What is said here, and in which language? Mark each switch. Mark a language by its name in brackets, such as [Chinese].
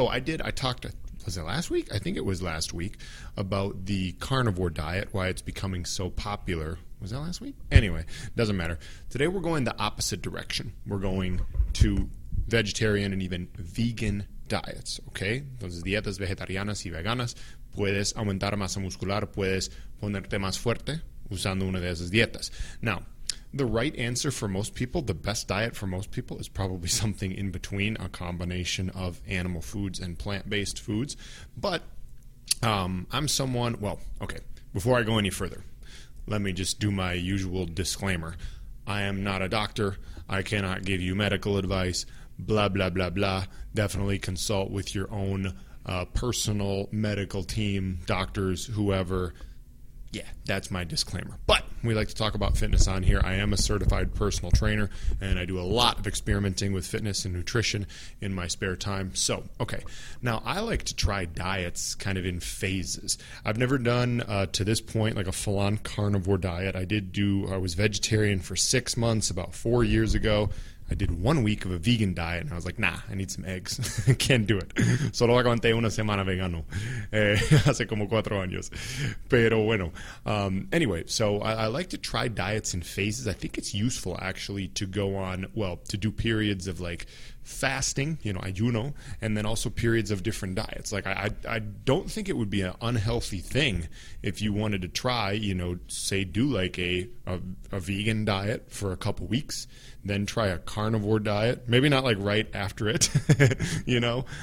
[English] I talked about the carnivore diet, why it's becoming so popular. Was that last week? Anyway, doesn't matter. Today we're going the opposite direction. We're going to vegetarian and even vegan diets, okay? [Spanish] Entonces, dietas vegetarianas y veganas. Puedes aumentar masa muscular, puedes ponerte más fuerte usando una de esas dietas. [English] Now, the right answer for most people, the best diet for most people, is probably something in between, a combination of animal foods and plant-based foods. But before I go any further, let me just do my usual disclaimer. I am not a doctor. I cannot give you medical advice, blah, blah, blah, blah. Definitely consult with your own personal medical team, doctors, whoever. Yeah, that's my disclaimer. But we like to talk about fitness on here. I am a certified personal trainer, and I do a lot of experimenting with fitness and nutrition in my spare time. So, okay. Now, I like to try diets kind of in phases. I've never done, to this point, like a full-on carnivore diet. I was vegetarian for 6 months about 4 years ago. I did 1 week of a vegan diet, and I was like, nah, I need some eggs. Can't do it. [Spanish] Solo aguanté una semana vegano hace como 4 años. Pero bueno. [English] I like to try diets in phases. I think it's useful, actually, to do periods of, like, fasting, you know, ayuno, and then also periods of different diets. Like, I don't think it would be an unhealthy thing if you wanted to try, you know, say do like a vegan diet for a couple weeks, then try a carnivore diet, maybe not like right after it, you know.